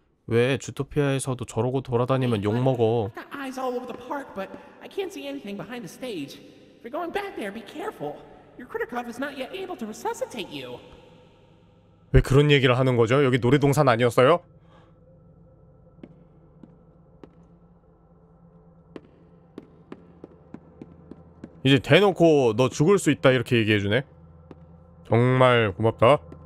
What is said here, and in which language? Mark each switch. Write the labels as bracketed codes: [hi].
[ko] 왜 주토피아에서도 저러고 돌아다니면 욕 먹어. [en] Eyes all over the park, but I can't see anything behind the stage. If you're going back there, be careful. Your Kritikov is not yet able to resuscitate you. [ko] 왜 그런 얘기를 하는 거죠? 여기 놀이동산 아니었어요? 이제 대놓고 너 죽을 수 있다 이렇게 얘기해주네. 정말 고맙다.